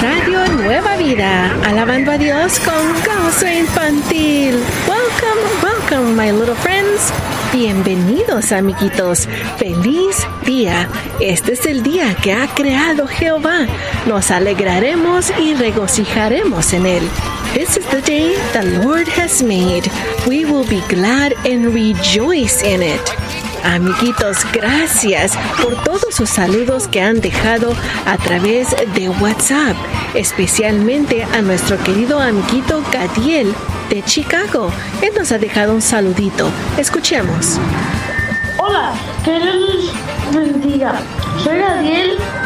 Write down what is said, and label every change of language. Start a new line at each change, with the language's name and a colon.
Spanish: Radio Nueva Vida, alabando a Dios con Gozo Infantil.
English: Welcome, my little friends.
Spanish: Bienvenidos, amiguitos. Feliz día. Este es el día que ha creado Jehová. Nos alegraremos y regocijaremos en él.
English: This is the day the Lord has made. We will be glad and rejoice in it.
Spanish: Amiguitos, gracias por todos sus saludos que han dejado a través de WhatsApp, especialmente a nuestro querido amiguito Gadiel de Chicago. Él nos ha dejado un saludito. Escuchemos. Hola, que Dios les bendiga. Soy Gadiel.